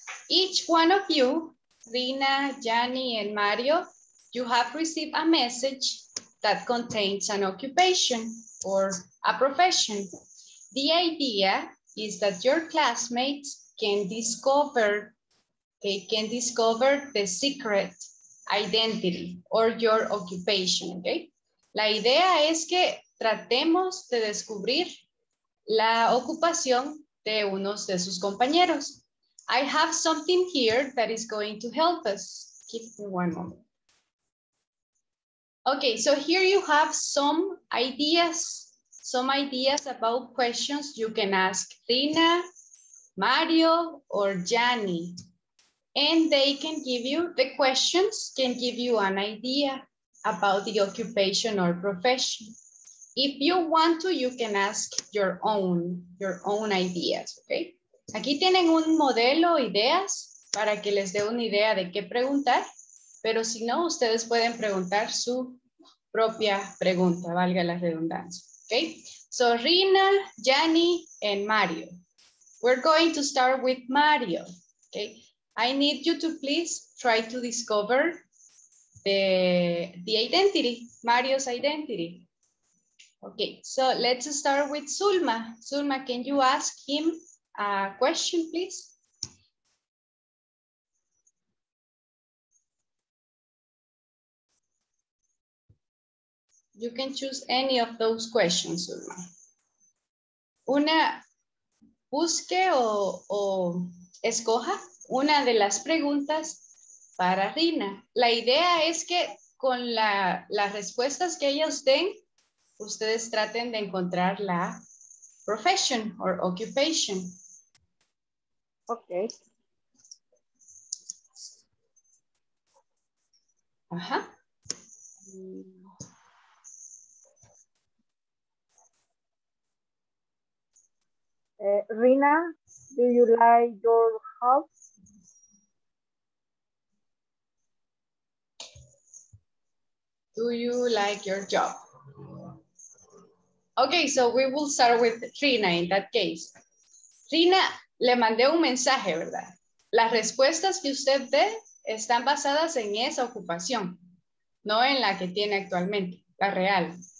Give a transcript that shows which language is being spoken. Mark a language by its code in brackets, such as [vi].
[en] Each one of you, Rina, Gianni, and Mario, you have received a message that contains an occupation or a profession. The idea is that your classmates can discover, they can discover the secret identity or your occupation, okay? [es] La idea es que tratemos de descubrir la ocupación de unos de sus compañeros. [en] I have something here that is going to help us. Give me 1 moment. Okay, so here you have some ideas about questions you can ask Rina, Mario, or Gianni. And they can give you, the questions can give you an idea about the occupation or profession. If you want to, you can ask your own ideas, okay? [es] Aquí tienen un modelo, ideas, para que les dé una idea de qué preguntar, pero si no, ustedes pueden preguntar su propia pregunta, valga la redundancia, okay? [en] So Rina, Jani, and Mario. We're going to start with Mario, okay? I need you to please try to discover the identity, Mario's identity. Okay, so let's start with Zulma. Zulma, can you ask him a question, please? You can choose any of those questions, Zulma. [es] Una, busque o escoja una de las preguntas para Rina. La idea es que con las respuestas que ellas den, ustedes traten de encontrar la [en] profession or occupation. Okay. Ajá. Rina, do you like your house? Do you like your job? Okay, so we will start with Rina in that case. [es] Rina, le mandé un mensaje, ¿verdad? Las respuestas que usted dé están basadas en esa ocupación, no en la que tiene actualmente, la real.